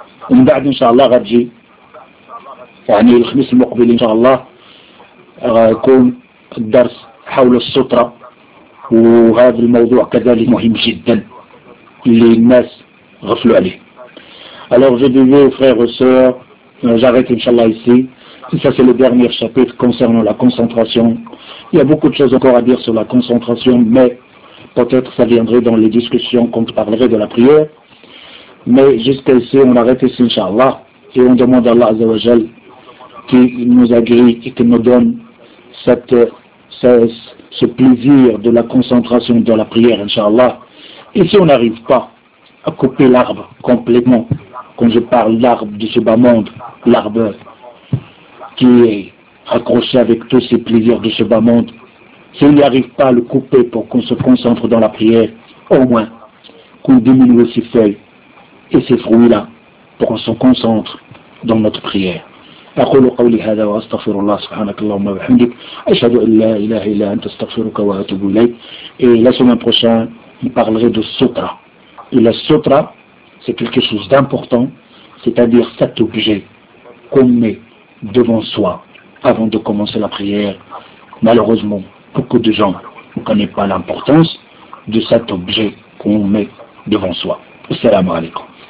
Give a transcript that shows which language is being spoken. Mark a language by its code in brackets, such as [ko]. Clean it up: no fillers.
[ar] ومن بعد إن شاء الله غتجي، يعني الخميس المقبل إن شاء الله يكون الدرس حول السترة، وهذا الموضوع كذلك مهم جدا اللي الناس غفلوا عليه. [fr] alors je disais frères et sœurs, j'arrête inshallah ici. Ça c'est le dernier chapitre concernant la concentration. Il y a beaucoup de choses encore à dire sur la concentration, mais peut-être ça viendrait dans les discussions quand on parlerait de la prière. Mais jusqu'à ici on arrête ici inshallah, et on demande à Allah Azzawajal qui nous agrée et qui nous donne ce plaisir de la concentration dans la prière, inshallah. Et si on n'arrive pas à couper l'arbre complètement, quand je parle l'arbre du subamonde, l'arbre qui est accroché avec tous ses plaisirs de ce bas-monde, si on n'arrive pas à le couper pour qu'on se concentre dans la prière, au moins qu'on diminue ses feuilles et ses fruits-là pour qu'on se concentre dans notre prière. [ar] أقول قولي هذا وأستغفر الله سبحانك اللهم وبحمدك أشهد أن لا إله إلا أنت أستغفرك وأتوب إليك. [fr] Et la semaine prochaine, on parlera de sutra. Et la sutra, c'est quelque chose d'important, c'est-à-dire cet objet qu'on met devant soi avant de commencer la prière. Malheureusement, beaucoup de gens ne connaissent pas l'importance de cet objet qu'on met devant soi. Assalamu alaikum.